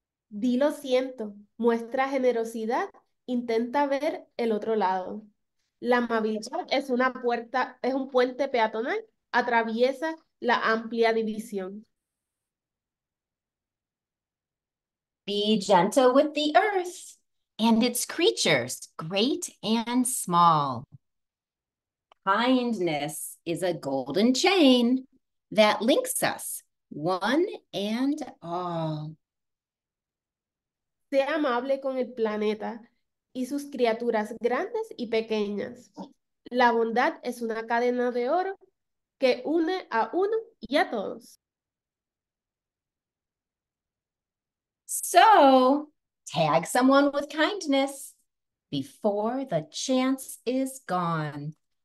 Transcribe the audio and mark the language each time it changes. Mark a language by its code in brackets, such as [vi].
[es] Di lo siento, muestra generosidad, intenta ver el otro lado. La amabilidad es una puerta, es un puente peatonal, atraviesa la amplia división. [en] Be gentle with the earth and its creatures, great and small. Kindness is a golden chain that links us, one and all. [es] Sea amable con el planeta y sus criaturas grandes y pequeñas. La bondad es una cadena de oro que une a uno y a todos. [en] So, tag someone with kindness before the chance is gone.